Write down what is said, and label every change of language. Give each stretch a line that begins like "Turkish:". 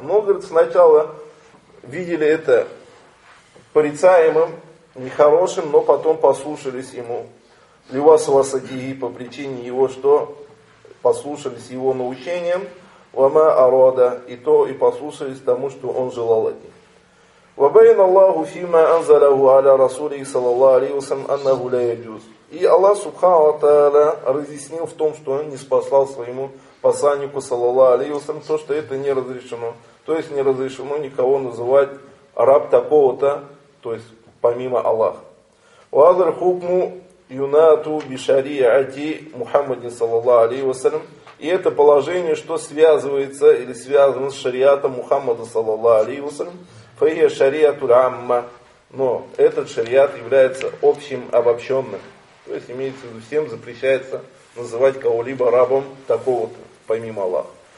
Russian: Но, говорит, сначала видели это порицаемым, нехорошим, но потом послушались ему.
Arabic: Ливас васадиги
Russian: по причине его, что послушались его научением.
Arabic: Вама арода,
Russian: и то, и послушались тому, что он желал от них.
Arabic: وبين الله فيما أنزله على رسوله صلى الله عليه وسلم أنه لا يجوز.
Russian: И Аллах Субхана ва Тааля разъяснил в том, что он не послал своему посланнику саллаллаху алейхи ва саллям, то, что это не разрешено. То есть не разрешено никого называть раб такого-то, то есть помимо Аллаха.
Arabic: وهذا الحكم ينات بشريعة محمد صلى الله عليه وسلم.
Russian: И это положение, что связывается или связано с шариатом Мухаммада саллаллаху алейхи ва саллям.
Arabic: Фейя шариату амма.
Russian: Но этот шариат является общим, обобщенным. То есть имеется в виду, всем запрещается называть кого-либо рабом такого-то, помимо Аллаха.